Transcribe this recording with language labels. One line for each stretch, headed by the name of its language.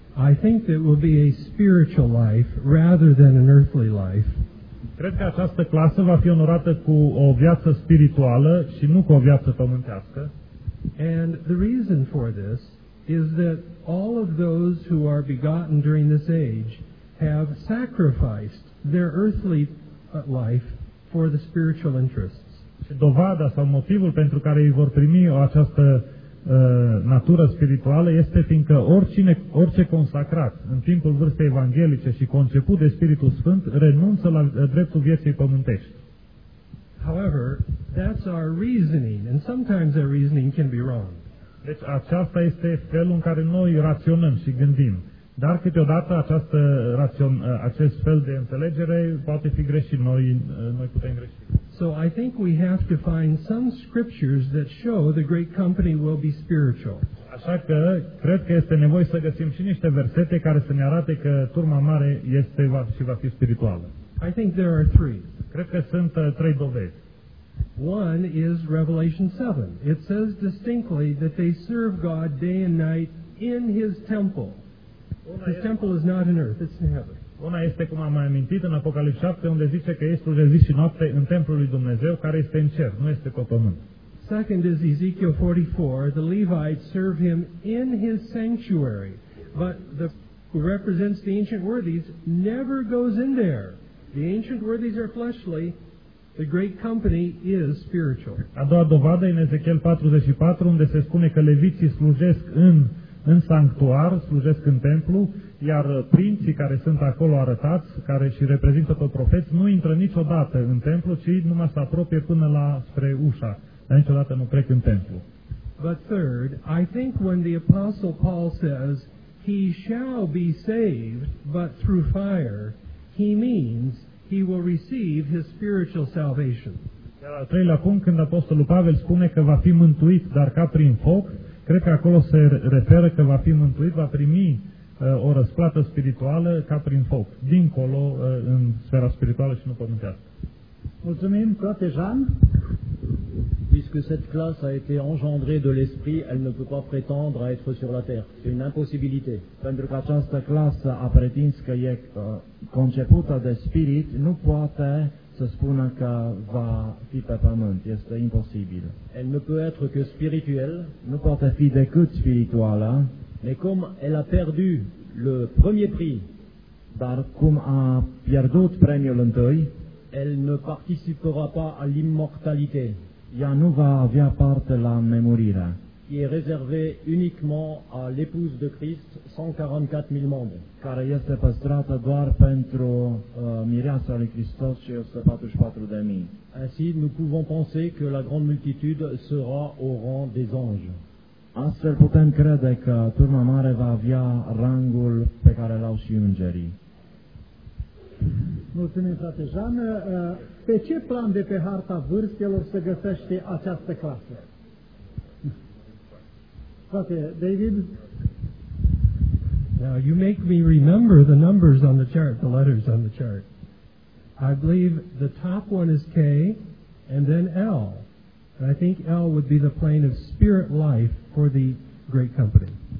English: I think that will be a spiritual life rather than an earthly life.
Romanian: Cred că această clasă va fi onorată cu o viață spirituală și nu cu o viață pământească.
English: And the reason for this is that all of those who are begotten during this age have sacrificed their earthly life for the spiritual interests.
Romanian: Dovada sau motivul pentru care ei vor primi o această natură spirituală este fiindcă orice consacrat în timpul vârstei evanghelice și conceput de Spiritul Sfânt renunță la dreptul vieții pământești.
English: However, that's our reasoning, and sometimes our reasoning can be wrong.
Romanian: Deci aceasta este felul în care noi raționăm și gândim. Dar câteodată acest fel de înțelegere poate fi greșit, noi putem greși.
English: So I think we have to find some scriptures that show the great company will be spiritual.
Romanian: Așa că cred că este nevoie să găsim și niște versete care să ne arate că turma mare este și va fi spirituală.
English: I think there are three.
Romanian: Cred că sunt trei dovezi.
English: One is Revelation 7. It says distinctly that they serve God day and night in his temple. His temple is not in earth, it's in heaven.
Romanian: Una este, cum am mai amintit, în Apocalipsa 7, unde zice că este de zi și noapte în templul lui Dumnezeu, care este în cer, nu este pe pământ.
English: Second is Ezekiel 44. The Levites serve him in his sanctuary, but the who represents the ancient worthies never goes in there. The ancient worthies are fleshly. The great company is spiritual.
Romanian: A doua dovadă în Ezechiel 44, unde se spune că leviții slujesc în sanctuar, slujesc în templu, iar prinții care sunt acolo arătați, care și reprezintă pe profeți, nu intră niciodată în templu, ci numai se apropie până la spre ușa, dar niciodată nu trec în templu.
English: But third, I think when the apostle Paul says he shall be saved but through fire, he means he will receive his spiritual salvation.
Romanian: Iar al treilea punct, când apostolul Pavel spune că va fi mântuit, dar ca prin foc, cred că acolo se referă că va fi mântuit, va primi o răsplată spirituală ca prin foc, dincolo, în sfera spirituală și nu pământească. Mulțumim, frate Jean.
French: Puisque cette classe a été engendrée de l'esprit, elle ne peut pas prétendre à être sur la terre. C'est une impossibilité.
Romanian: Pentru că această clasă a pretins că e concepută de spirit, nu poate să spună că va fi pe pământ. Este imposibil.
French: Elle ne peut être que spirituelle.
Romanian: Nu poate fi decât spirituală.
French: Mais comme elle a perdu le premier prix,
Romanian: dar cum a pierdut premiul întâi,
French: elle ne participera pas à l'immortalité.
Romanian: Ea nu va avea parte la nemurire.
French: Qui est réservée uniquement à l'épouse de Christ, 144.000 membres.
Romanian: Care este păstrată doar pentru mireasa lui Hristos și 144.000.
French: Ainsi, nous pouvons penser que la grande multitude sera au rang des anges.
Romanian: Astfel putem crede că turma mare va avea rangul pe care l-au și îngerii. Mulțumim, frate Jean. Pe ce plan de pe harta vârstelor se găsește această clasă? Frate David?
English: Now, you make me remember the numbers on the chart, the letters on the chart. I believe the top one is K and then L. And I think L would be the plane of spirit life for the great company.